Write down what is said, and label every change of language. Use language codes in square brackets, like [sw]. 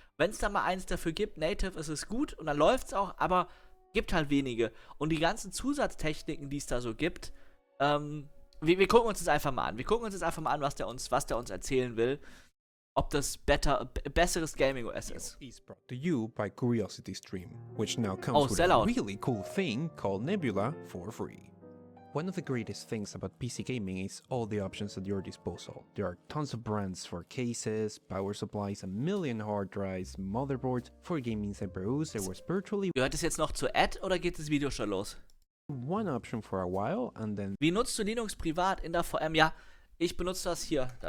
[de] Wenn es da mal eins dafür gibt, native, ist es gut und dann läuft es auch, aber gibt halt wenige. Und die ganzen Zusatztechniken, die es da so gibt, wir gucken uns das einfach mal an. Wir gucken uns jetzt einfach mal an, was der uns erzählen will, ob das besseres Gaming OS ist. [en] Is brought to you by Curiosity Stream, which now comes with sellout. A really cool thing called Nebula for free. One of the greatest things about PC gaming is all the options at your disposal. There are tons of brands for cases, power supplies, a million hard drives, motherboards. For gaming CPUs, there was virtually... [de] Gehört das jetzt noch zur Ad oder geht das Video schon los? [en] One option for a while and then... [de] Wie nutzt du Linux privat in der VM? Ja, ich benutze das hier.